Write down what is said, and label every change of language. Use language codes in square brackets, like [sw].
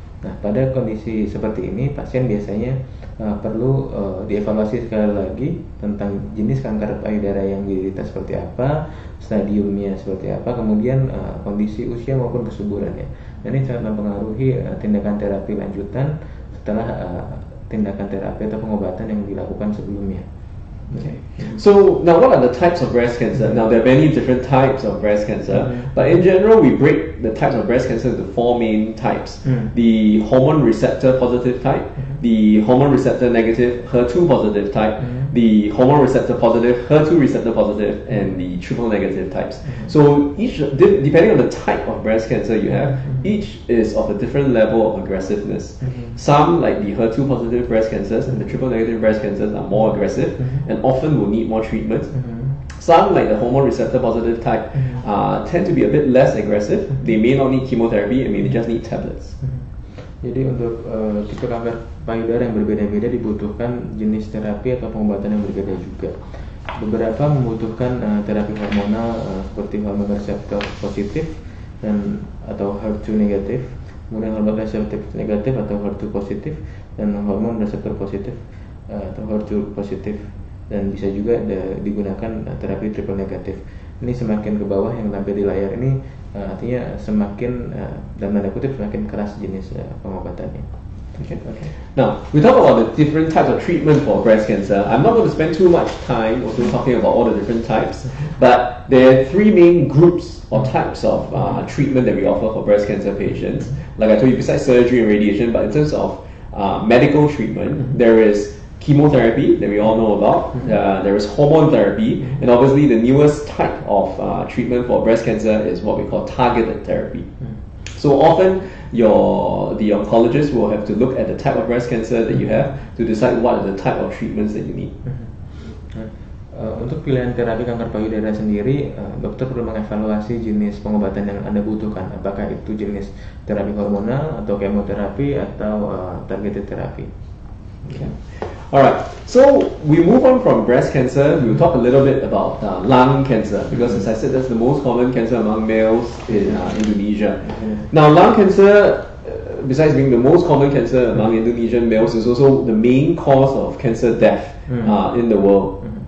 [id] Nah, pada kondisi seperti ini, pasien biasanya perlu dievaluasi sekali lagi tentang jenis kanker payudara yang diderita seperti apa, stadiumnya seperti apa, kemudian kondisi usia maupun kesuburannya. Dan ini sangat mempengaruhi tindakan terapi lanjutan setelah tindakan terapi atau pengobatan yang dilakukan sebelumnya. [en] Okay. So now, what are the types of breast cancer? Now there are many different types of breast cancer, but in general, we break the types of breast cancer into four main types: the hormone receptor positive type, the hormone receptor negative HER2 positive type, the hormone receptor positive HER2 receptor positive, and the triple negative types. So each, depending on the type of breast cancer you have, each is of a different level of aggressiveness. Some, like the HER2 positive breast cancers and the triple negative breast cancers, are more aggressive and often will need more treatment. Some, like the hormone receptor positive type, tend to be a bit less aggressive. They may not need chemotherapy, I mean, they just need tablets. [id] Jadi untuk tipe kanker payudara yang berbeda-beda dibutuhkan jenis terapi atau pengobatan yang berbeda juga. Beberapa membutuhkan terapi hormonal seperti hormon reseptor positif dan atau HER2 negatif, kemudian hormon reseptor negatif atau HER2 positif, dan hormon reseptor positif atau HER2 positif, dan bisa juga digunakan terapi triple negatif. Ini semakin ke bawah yang tampil di layar ini artinya semakin dalam tanda kutip semakin keras jenis pengobatannya. [en] Okay. Now, we talk about the different types of treatment for breast cancer. I'm not going to spend too much time also talking about all the different types, but there are three main groups or types of treatment that we offer for breast cancer patients. Like I told you, besides surgery and radiation, but in terms of medical treatment, there is chemotherapy that we all know about, there is hormone therapy, and obviously the newest type of treatment for breast cancer is what we call targeted therapy. So often the oncologist will have to look at the type of breast cancer that you have to decide what are the type of treatments that you need. [id] Untuk pilihan terapi kanker payudara sendiri, dokter perlu mengevaluasi jenis pengobatan yang Anda butuhkan, apakah itu jenis terapi hormonal atau kemoterapi atau targeted therapy. [en] Alright, so we move on from breast cancer, we'll talk a little bit about lung cancer, because as I said, that's the most common cancer among males in Indonesia. Now, lung cancer, besides being the most common cancer among Indonesian males, is also the main cause of cancer death in the world.